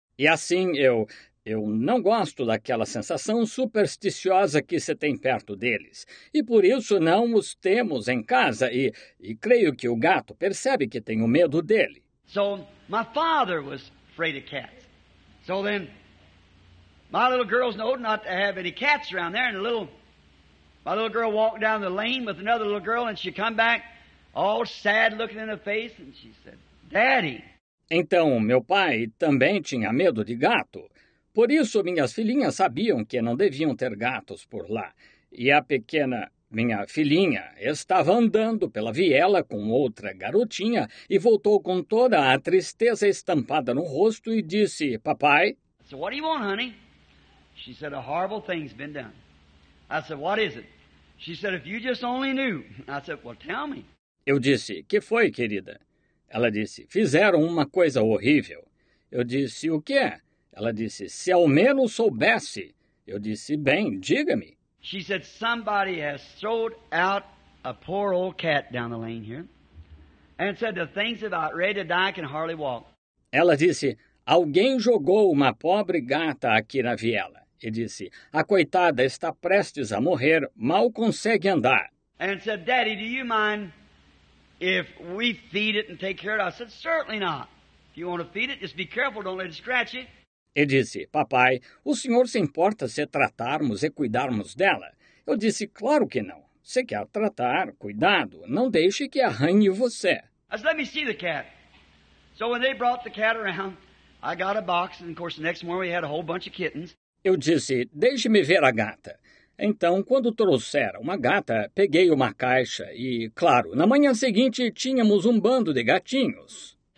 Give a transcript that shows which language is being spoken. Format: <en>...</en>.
<pt>E assim, eu não gosto daquela sensação supersticiosa que se tem perto deles. E por isso não os temos em casa e creio que o gato percebe que tenho medo dele.</pt> <en>So, my father was afraid of cats. So then, my little girl's known not to have any cats around there. And my little girl walked down the lane with another little girl and she come back all sad looking in the face and she said, Daddy.</en> <pt>Então, meu pai também tinha medo de gato. Por isso, minhas filhinhas sabiam que não deviam ter gatos por lá. E a pequena, minha filhinha, estava andando pela viela com outra garotinha e voltou com toda a tristeza estampada no rosto e disse, papai...</pt> <en>I said, what do you want, honey? She said, a horrible thing's been done. I said, what is it? She said, if you just only knew. I said, well, tell me.</en> <pt>Eu disse, que foi, querida? Ela disse, fizeram uma coisa horrível. Eu disse, o que é? Ela disse, se ao menos soubesse. Eu disse, bem, diga-me.</pt> <en>She said, somebody has thrown out a poor old cat down the lane here. And said, the thing's about ready to die, can hardly walk.</en> <pt>Ela disse, alguém jogou uma pobre gata aqui na viela. E disse, a coitada está prestes a morrer, mal consegue andar.</pt> <en>And said, Daddy, do you mind if we feed it and take care of it? I said, certainly not. If you want to feed it, just be careful, don't let it scratch it.</en> <pt>E disse, papai, o senhor se importa se tratarmos e cuidarmos dela? Eu disse, claro que não. Se quer tratar, cuidado, não deixe que arranhe você.</pt> <en>I said, let me see the cat. So when they brought the cat around, I got a box, and of course the next morning we had a whole bunch of kittens.</en> <pt>Eu disse, deixe-me ver a gata. Então, quando trouxeram uma gata, peguei uma caixa e, claro, na manhã seguinte tínhamos um bando de gatinhos.</pt>